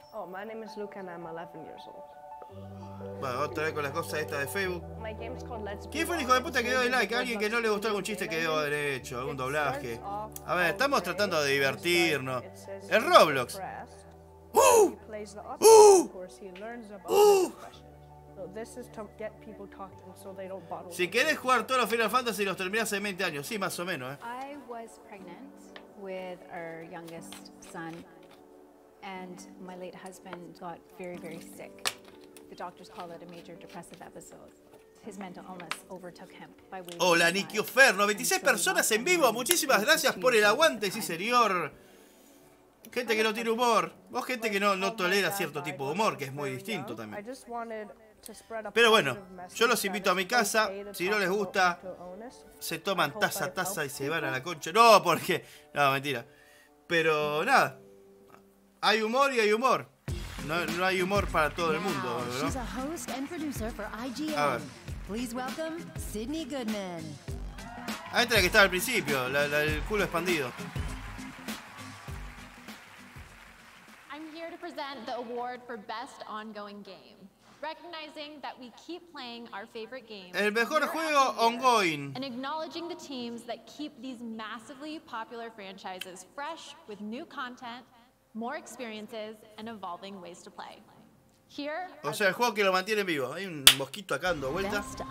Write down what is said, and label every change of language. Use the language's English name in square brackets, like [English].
[English] My name is Luke and I'm 11 years old. [Spanish] Bueno, otra vez con las cosas estas de Facebook. [English] My game is called Let's. [Spanish] ¿Quién fue el hijo de puta que dio el like? Alguien que no le gustó algún chiste que dio derecho, algún doblaje. A ver, estamos tratando de divertirnos. El Roblox. ¡Uh! ¡Uh! ¡Uh! [English] This is to get people talking so they don't bottle. [Spanish] Si quieres jugar todos los Final Fantasy los terminas en 20 años, sí, más o menos, ¿eh? [English] I was pregnant with our youngest son and my late husband got very, very sick. The doctors call it a major depressive episode. His mental illness overtook him by waiting. [Spanish] Hola, Nicky Oferno, 26 personas en vivo. Muchísimas gracias por el aguante, sí, señor. Gente que no tiene humor. O gente que no tolera cierto tipo de humor, que es muy distinto también. Pero bueno, yo los invito a mi casa. Si no les gusta, se toman taza a taza y se van a la concha. No, porque... No, mentira. Pero nada. Hay humor y hay humor. No hay humor para todo el mundo, ¿no? A ver. [English] Please welcome Sydney Goodman. [Spanish] Ahí está la que estaba al principio, la el culo expandido. [English] I'm here to present the award for best ongoing game, recognizing that we keep playing our favorite games. [Spanish] El mejor juego ongoing. [English] And acknowledging the teams that keep these massively popular franchises fresh with new content, more experiences and evolving ways to play. [Spanish] O sea, el juego que lo mantiene vivo. Hay un mosquito acá dando vuelta.